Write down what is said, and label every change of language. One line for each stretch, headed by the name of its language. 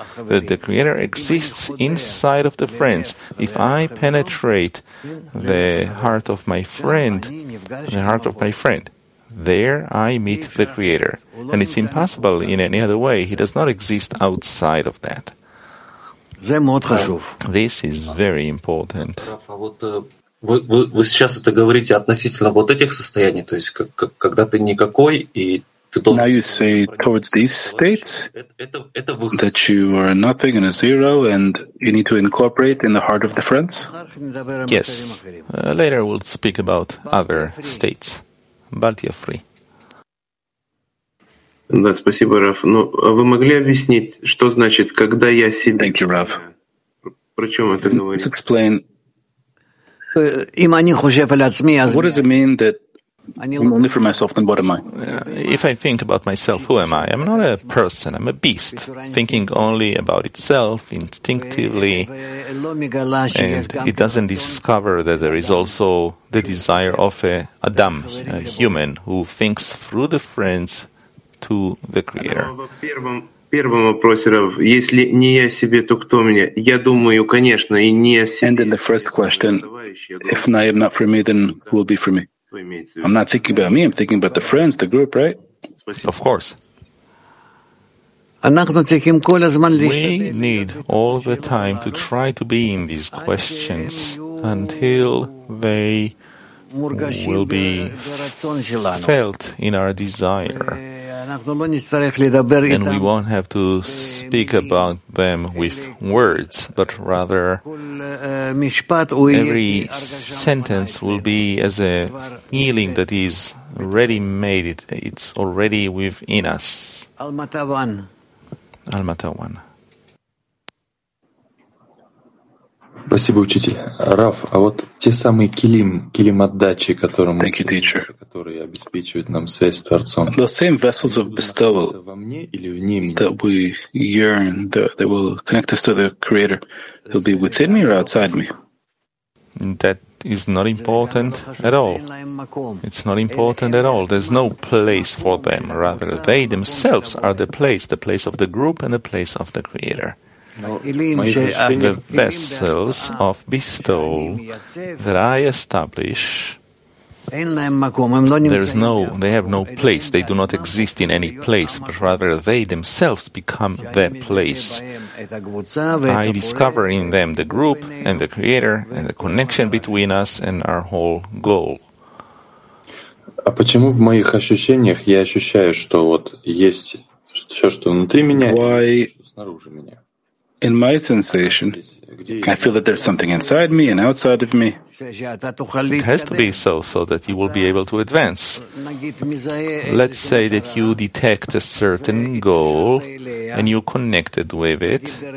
English: That the Creator exists inside of the friends. If I penetrate the heart of my friend, the heart of my friend, there I meet the Creator. And it's impossible in any other way. He does not exist outside of that. This is very important.
Russian: Вы сейчас это говорите относительно вот этих состояний, то есть когда ты никакой и ты должен.
English: Now you say towards these states that you are nothing and a zero, and you need to incorporate in the heart of the friends. Yes. Later we'll speak about other states. Baltia free.
Russian: Да, спасибо, Раф. Ну, а вы могли объяснить, что значит, когда я себя...
English: Thank you, Raf.
Russian: Про чём это говорит?
English: Let's explain. What does it mean that I'm only for myself, then what am I? If I think about myself, who am I? I'm not a person, I'm a beast. Thinking only about itself, instinctively, and it doesn't discover that there is also the desire of a Adam, a human, who thinks through the friends, to the Creator.
Russian: Первом вопросе, если не я себе, то кто мне? Я думаю, конечно, и не я себе.
English: And in the first question, if I am not for me, then who will be for me? I'm not thinking about me, I'm thinking about the friends, the group, right? Of course. We need all the time to try to be in these questions until they will be felt in our desire. And we won't have to speak about them with words, but rather every sentence will be as a feeling that is ready made. It's already within us. Al-Matawan.
Russian: Спасибо, учитель. Раф, а вот те самые килим отдачи, которым мы стремимся, которые обеспечивают нам связь с Творцом.
English: The same vessels of bestowal that we yearn, that will connect us to the Creator, will be within me or outside me? That is not important at all. It's not important at all. There's no place for them. Rather, they themselves are the place of the group and the place of the Creator. The vessels of bestowal that I establish There's no, they have no place, they do not exist in any place, but rather they themselves become that place. I discover in them the group and the creator and the connection between us and our whole goal.
Russian: А почему в моих ощущениях я ощущаю, что вот есть все, что внутри меня, и все, что снаружи меня?
English: In my sensation, I feel that there's something inside me and outside of me. It has to be so, so that you will be able to advance. Let's say that you detect a certain goal and you're connected with it,